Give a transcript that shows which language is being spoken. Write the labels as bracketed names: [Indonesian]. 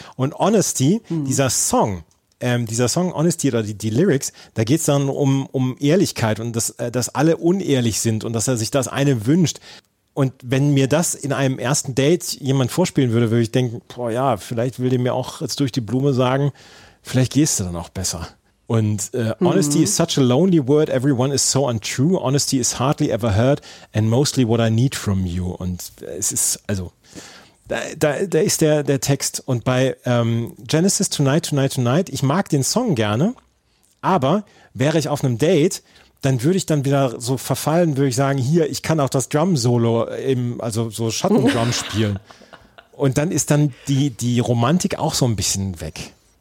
[German] Und Honesty, dieser Song Honesty oder die Lyrics, da geht es dann um Ehrlichkeit und dass alle unehrlich sind und dass er sich das eine wünscht. Und wenn mir das in einem ersten Date jemand vorspielen würde, würde ich denken, boah ja, vielleicht will der mir auch jetzt durch die Blume sagen, vielleicht gehst du dann auch besser. [English] Und Honesty is such a lonely word, everyone is so untrue, honesty is hardly ever heard and mostly what I need from you. [German] Und es ist, also, Da ist der Text. Und bei Genesis Tonight, Tonight, Tonight, ich mag den Song gerne, aber wäre ich auf einem Date, dann würde ich dann wieder so verfallen, würde ich sagen, hier, ich kann auch das Drum-Solo eben, also so Schatten-Drum spielen. Und dann ist dann die Romantik auch so ein bisschen weg.